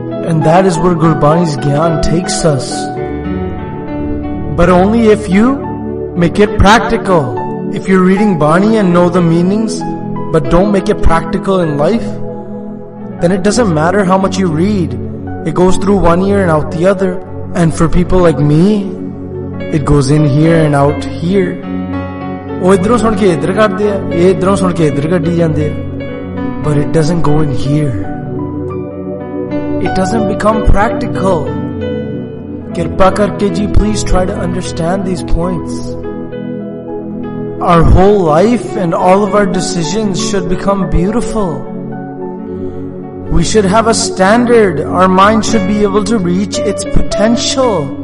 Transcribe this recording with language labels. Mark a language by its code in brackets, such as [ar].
[en] And that is where Gurbani's Gyan takes us. But only if you make it practical. If you're reading Bani and know the meanings, but don't make it practical in life, then it doesn't matter how much you read. It goes through one ear and out the other. And for people like me, it goes in here and out here. [pa] ਉਹ ਇਧਰੋਂ ਸੁਣ ਕੇ ਇਧਰ ਕੱਢਦੇ ਆ, ਇਹ ਇਧਰੋਂ ਸੁਣ ਕੇ ਇਧਰ ਕੱਢੀ ਜਾਂਦੇ ਆ. [en] But it doesn't go in here. it doesn't become practical. [pa] Kirpa karke ji, [en] please try to understand these points. Our whole life and all of our decisions should become beautiful. We should have a standard. Our mind should be able to reach its potential.